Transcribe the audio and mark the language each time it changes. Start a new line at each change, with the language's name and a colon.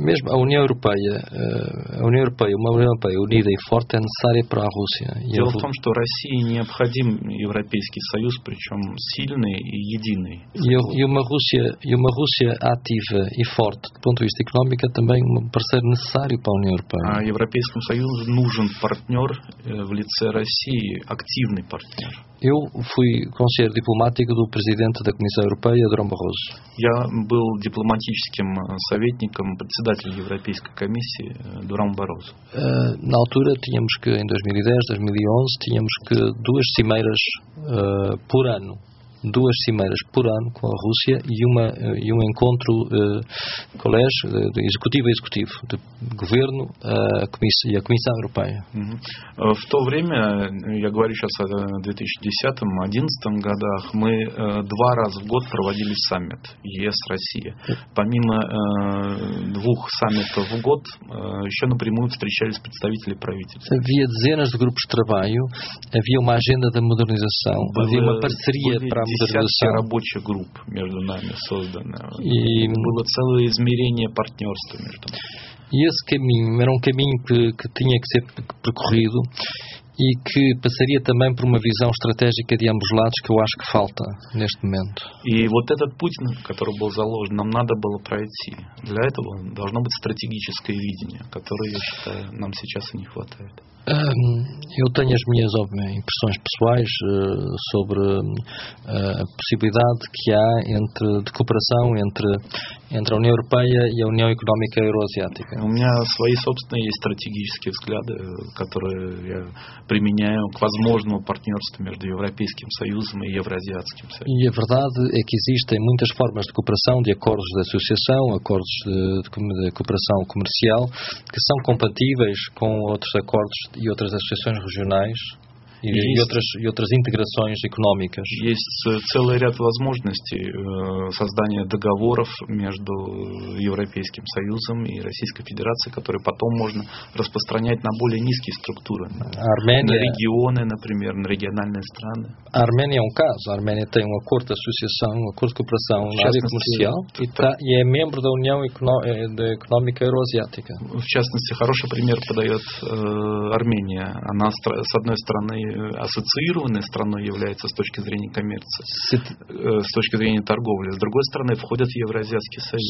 Portuguese: А União Europeia, unida e forte, é necessária para a Rússia.
Russian: Дело в том, что России необходим Европейский Союз, причем сильный и единый.
Portuguese: E uma Rússia ativa e forte, do ponto de vista económico, é também um parceiro necessário para a União Europeia.
Russian: А Европейскому Союзу нужен партнер в лице России, активный партнер.
Portuguese: Eu fui conselheiro diplomático do presidente da Comissão Europeia, Durão Barroso.
Russian: Я был дипломатическим советником председателя Европейской комиссии Дуран Барозу.
Portuguese: На altura tínhamos que em 2010, 2011 tínhamos que duas cimeiras por ano com a Rússia e um encontro colégio executivo a executivo de governo e a Comissão Europeia.
Russian: В то время, я говорю сейчас о 2010-2011 годах, мы два раза в год проводили саммит ЕС-Россия. Помимо двух саммитов в год, еще напрямую встречались представители правительства.
Portuguese: Havia dezenas de grupos de trabalho, havia uma agenda da modernização, havia uma parceria para
Russian: десятки рабочих групп между нами созданы. И было целое измерение партнерства между нами. И этот путь, это был путь, который должен был быть прокурен,
Portuguese: e que passaria também por uma visão estratégica de ambos lados, que eu acho que falta neste momento.
Russian: E вот этот путь, который был заложен, нам надо было пройти. Для этого должно быть стратегическое видение, которое, я считаю, нам сейчас и не хватает.
Portuguese: Eu tenho as minhas impressões pessoais sobre a possibilidade que há de cooperação entre a União Europeia e a União Económica Euroasiática.
Russian: У меня свои собственные стратегические взгляды, которые я применяю к возможному партнерству между Европейским Союзом и Евразиатским Союзом.
Portuguese: E a verdade é que existem muitas formas de cooperação, de acordos de associação, acordos de cooperação comercial, que são compatíveis com outros acordos e outras associações regionais. E outras integrações económicas.
Russian: Есть целый ряд возможностей создания договоров между Европейским Союзом и Российской Федерацией, которые потом можно распространять на более низкие структуры. Армения, на регионы, например, на региональные страны.
Portuguese: Армения – caso. Армения tem um acordo de associação, um acordo de cooperação na área comercial e é membro da União Económica Euroasiática.
Russian: В частности, хороший пример подает Армения. Она, с одной стороны, ассоциированной страной является с точки зрения коммерции, с точки зрения торговли. С другой стороны, входит в Евразийский союз.